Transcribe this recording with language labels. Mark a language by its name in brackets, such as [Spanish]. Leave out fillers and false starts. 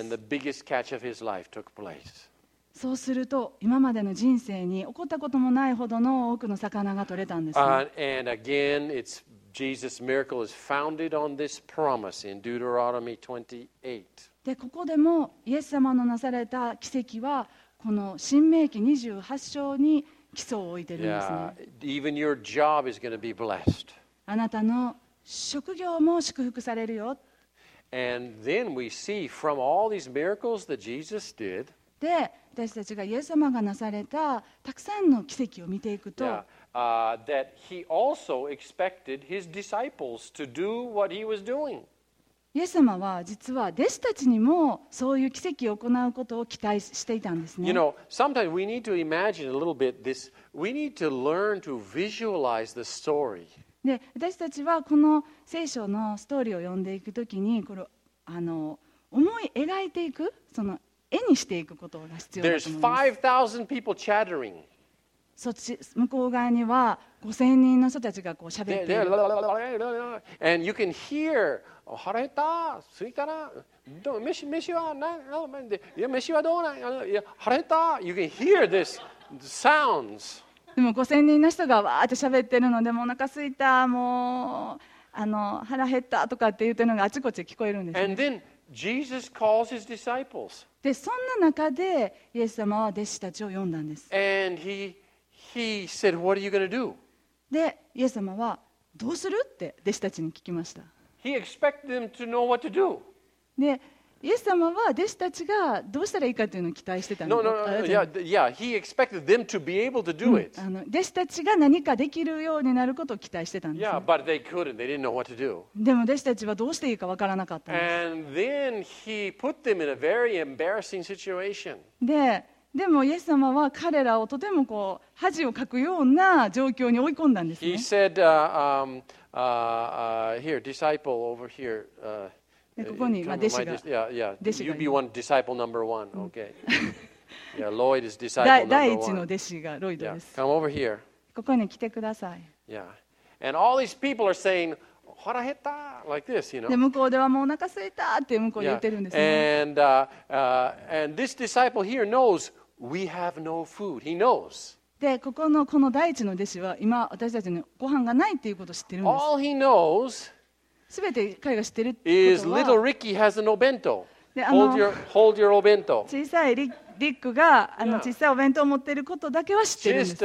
[English] And the biggest catch of his life took place. [Japanese] そうすると今までの人生に起こったこともないほどの多くの魚が取れたんです。 [English] And again, it's Jesus' miracle is founded on this promise in Deuteronomy 28. [Japanese] でここでもイエス様のなされた奇跡はこの申命記28章に基礎を置いてるんですね。 [English] Yeah, even your job is going to be blessed. [Japanese] あなたの職業も祝福されるよ。 [English] And then we see from all these miracles that Jesus did. [Japanese] で、私たちがイエス様がなされたたくさんの奇跡を見ていくと、 [English] That he also expected his disciples to do what he was doing. [Japanese] イエス様は実は弟子たちにもそういう奇跡を行うことを期待していたんですね。 [English] You know, sometimes we need to imagine a little bit this. We need to learn to visualize the story. [Japanese] で、私たちはこの聖書のストーリーを読んでいくときに、これ思い描いていく、その絵にしていくことが必要だと思います。 [English] There's 5,000 people chattering. [Japanese] そっち向こう側には5,000人の人たちがこう喋っている。 [English] And you can hear. [Japanese] 腹減った、すいたな、飯は何、飯はどうなん、腹減った、 [English] You can hear this sounds. [Japanese] でも5000人の人がわーって喋ってるので、もうお腹すいた、もう腹減ったとかって言ってるのがあちこち聞こえるんですね。 [English] And then Jesus calls his disciples. [Japanese] で、そんな中でイエス様は弟子たちを呼んだんです。 [English] And he said, what are you going to do? [Japanese] で、イエス様はどうするって弟子たちに聞きました。 [English] He expected them to know what to do. [Japanese] で、イエス様は弟子たちがどうしたらいいかというのを期待してたの。 [English] No. He expected them to be able to do it. [Japanese] 弟子たちが何かできるようになることを期待してたんです。 [English] Yeah, but they couldn't. They didn't know what to do. [Japanese] でも弟子たちはどうしていいかわからなかったんです。 [English] And then he put them in a very embarrassing situation. [Japanese] でもイエス様は彼らをとてもこう恥をかくような状況に追い込んだんですね。 [English] He said, here, disciple over here. [Japanese] ここに弟子が。 [English] Yeah. You be one disciple number one. Okay. Yeah, Lloyd is disciple number one. [Japanese] 第一の弟子がロイドです。 [English] Come over here. [Japanese] ここに来てください。 [English] Yeah. And all these people are saying, [Japanese] 腹減った [English] like this, you know. [Japanese] で向こうではもうお腹空いたって向こうで言ってるんですね。 [English] And this disciple here knows we have no food. He knows. [Japanese] でこの第一の弟子は今私たちにご飯がないっていうことを知ってるんです。 [English] All he knows, [Japanese] すべて彼が知ってるってこと [English] は、is little Ricky has an obento. Hold your obento. [Japanese] 小さいリックが小さいお弁当を持っていることだけは知ってるんです。